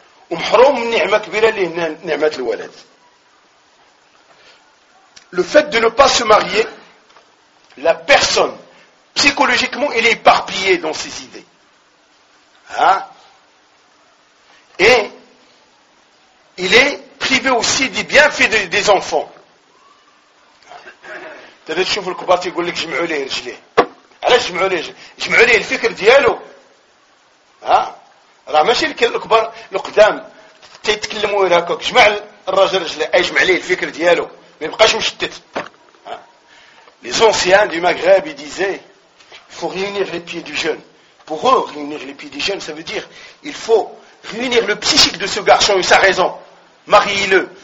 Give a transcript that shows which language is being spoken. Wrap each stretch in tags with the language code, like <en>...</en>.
<ar>ومحروم من نعمة كبيرة اللي هي نعمة الولد.</ar> <fr>Le fait de ne pas se marier, la personne, psychologiquement, elle est éparpillée dans ses idées. Hein? Et il est privé aussi des bienfaits des enfants. T'as dit,</fr> <ar>شوف الكبار تيقول لك جمعوا ليه رجليه. علاش جمعوا ليه رجليه؟ جمعوا ليه الفكر ديالو. هاه؟ راه ماشي الكبار القدام تيتكلموا غير هكاك جمع الراجل رجليه اجمع ليه الفكر ديالو ما يبقاش مشتت</ar> <fr>لي زونسيان دي ماغريب يديزي il faut réunir les pieds du jeune. Pour eux, réunir les pieds du jeune, ça veut dire il faut réunir le psychique de ce garçon et sa raison. Marie-le.</fr>